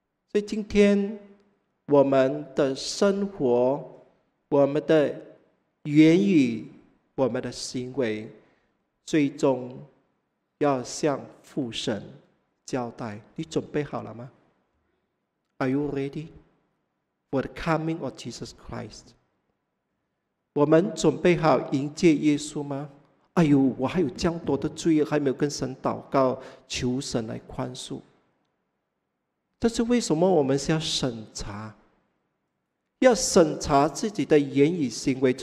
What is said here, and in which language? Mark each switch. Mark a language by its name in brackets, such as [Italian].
[Chinese] 所以今天我们的生活，我们的源于我们的行为，最终要向父神交代。你准备好了吗？ [English] Are you ready for the coming of Jesus Christ? [Chinese] 我们准备好迎接耶稣吗？哎呦，我还有这样多的罪，还没有跟神祷告，求神来宽恕。这是为什么我们是要审查，要审查自己的言语行为。